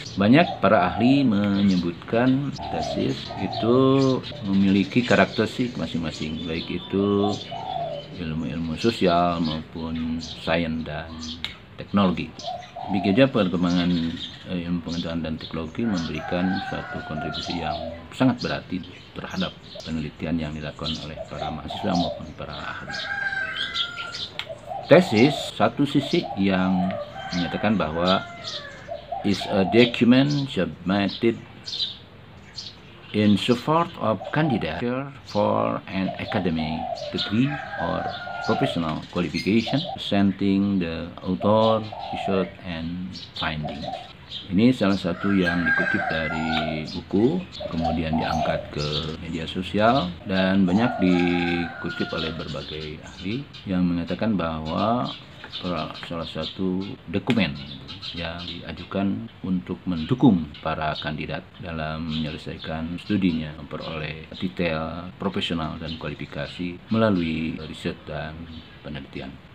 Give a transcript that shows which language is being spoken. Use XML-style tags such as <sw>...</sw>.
<id>Banyak para ahli menyebutkan tesis itu memiliki karakteristik masing-masing, baik itu ilmu-ilmu sosial maupun sains dan teknologi. Begitu juga perkembangan ilmu pengetahuan dan teknologi memberikan suatu kontribusi yang sangat berarti terhadap penelitian yang dilakukan oleh para mahasiswa maupun para ahli. Tesis, satu sisi yang menyatakan bahwa</id> <en>is a document submitted in support of candidature for an academic degree or professional qualification, presenting the author, research, and findings.</en> <id>Ini salah satu yang dikutip dari buku, kemudian diangkat ke media sosial, dan banyak dikutip oleh berbagai ahli yang mengatakan bahwa salah satu dokumen yang diajukan untuk mendukung para kandidat dalam menyelesaikan studinya, memperoleh titel profesional dan kualifikasi melalui riset dan penelitian.</id>